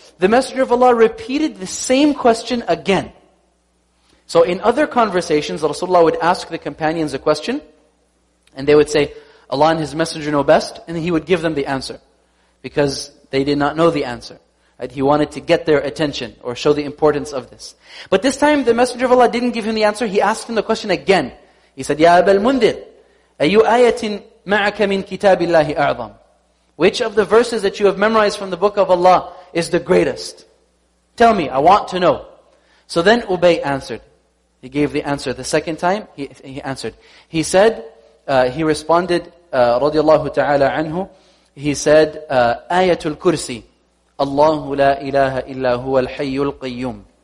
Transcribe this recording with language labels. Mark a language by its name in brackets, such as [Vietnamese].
[English] The Messenger of Allah repeated the same question again. So in other conversations, Rasulullah would ask the companions a question, and they would say, Allah and His Messenger know best, and He would give them the answer. Because they did not know the answer. And He wanted to get their attention, or show the importance of this. But this time, the Messenger of Allah didn't give him the answer, he asked him the question again. He said, [Arabic] Ya Abul Mundir, أَيُّ آيَةٍ مَعَكَ مِنْ كِتَابِ اللَّهِ أَعْظَمُ. [English] Which of the verses that you have memorized from the book of Allah is the greatest? Tell me, I want to know. So then Ubay answered. He gave the answer the second time, he answered. He said, he responded, radiallahu ta'ala anhu, he said, Ayatul Kursi, [Arabic] Allahu la ilaha illa huwa al-hayyul qayyum.